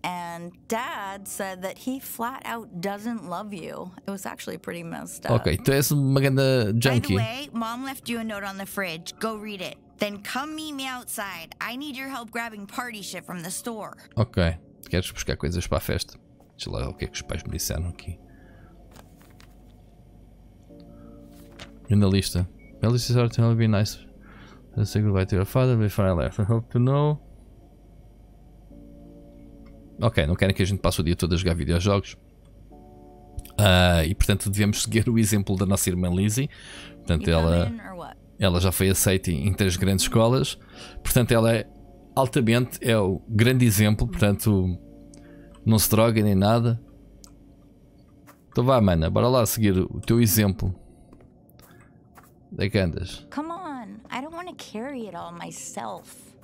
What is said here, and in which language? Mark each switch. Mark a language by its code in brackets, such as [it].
[en] And Dad said that he flat out doesn't love you. It was actually pretty messed up. [pt] Okay, tu és uma grande junkie. [en] By the way, Mom left you a note on the fridge. Go read it. Then come meet me outside. I need your help grabbing party shit from the store. [pt] Okay, queres buscar coisas para a festa? Deixa lá o que é que os pais me disseram aqui. Na lista. [en] Well, this is hard to be nice. I say goodbye to your father before I left. I hope to know. [pt] Ok, não querem que a gente passe o dia todo a jogar videojogos. E portanto devemos seguir o exemplo da nossa irmã Lizzie. Portanto, ela já foi aceita em três grandes escolas. Portanto, ela é altamente, é o grande exemplo. Portanto, não se droga nem nada. Então vá, mana, bora lá seguir o teu exemplo. Onde é que andas? [en] Come on, I don't want to carry it all myself.